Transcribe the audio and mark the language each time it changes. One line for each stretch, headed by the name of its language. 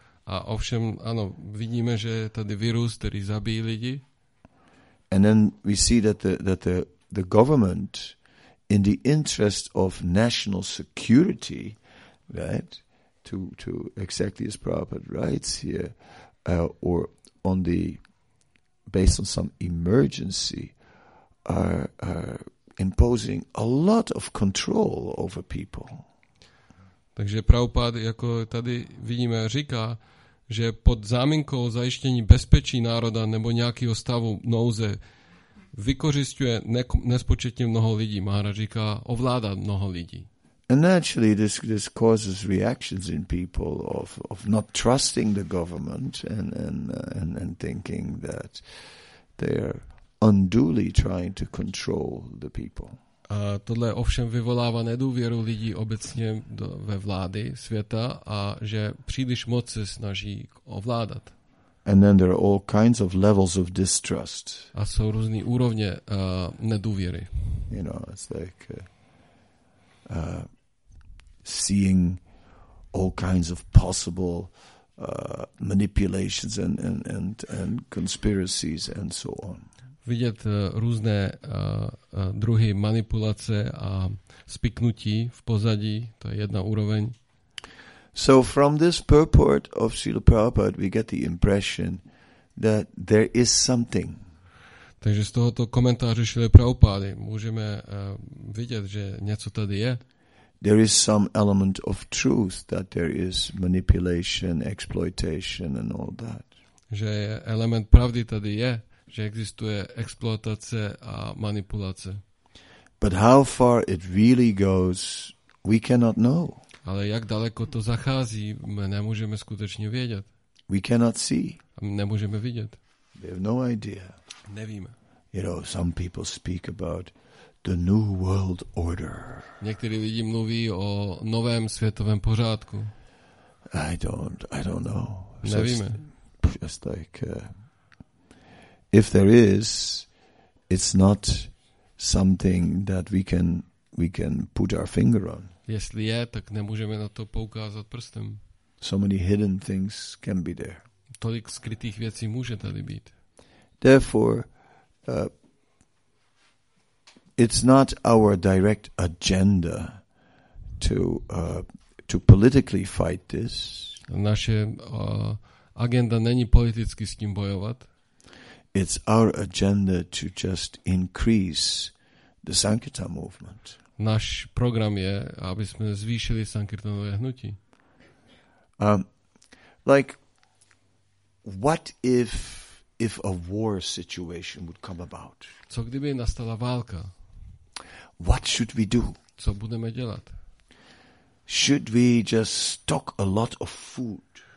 Czech: A ovšem ano, vidíme, že je tady virus, který zabíjí lidi.
English: And then we see that the government, in the interest of national security, right, to exactly as Prabhupada writes here, or on the based on some emergency, are imposing a lot of control over people.
Czech: Takže Prabhupada, jako tady vidíme, říká, že pod záminkou zajištění bezpečí národa nebo nějakého stavu nouze vykořisťuje nespočetně mnoho lidí. Maharaj říká, ovládá mnoho lidí.
English: And naturally this causes reactions in people of not trusting the government and thinking that they are unduly trying to control the people.
Czech: A tohle ovšem vyvolává nedůvěru lidí obecně ve vlády světa a že příliš moc se snaží ovládat.
English: And then there are all kinds of levels of distrust.
Czech: A jsou různé úrovně nedůvěry.
English: You know, it's like seeing all kinds of possible manipulations and conspiracies and so on.
Czech: Vidět různé druhy manipulace a spiknutí v pozadí, to je jedna úroveň.
English: So from this purport of Srila Prabhupada we get the impression that there is something.
Czech: Takže z tohoto komentáře Srila Prabhupady můžeme vidět, že něco tady je.
English: There is some element of truth that there is manipulation, exploitation and all that.
Czech: Že element pravdy tady je. Že existuje exploatace a manipulace.
English: But how far it really goes, we cannot know.
Czech: Ale jak daleko to zachází, my nemůžeme skutečně vědět.
English: We cannot see.
Czech: Nemůžeme vidět.
English: We have no idea.
Czech: Nevíme.
English: You know, some people speak about the new world order.
Czech: Někteří lidi mluví o novém světovém pořádku.
English: I don't know.
Czech: Nevíme.
English: Just like if there is, it's not something that we can put our finger on.
Czech: Jestli je, tak nemůžeme na to poukázat prstem.
English: So many hidden things can be there.
Czech: Tolik skrytých věcí může tady být.
English: Therefore, it's not our direct agenda to politically fight this.
Czech: Naše agenda není politicky s tím bojovat.
English: It's our agenda to just increase the Sankirtan movement.
Czech: Náš program je, aby jsme zvýšili Sankirtanové hnutí.
English: What if a war situation would come about?
Czech: Co kdyby nastala válka?
English: What should we do?
Czech: Co budeme dělat?
English: Should we just stock a lot of food?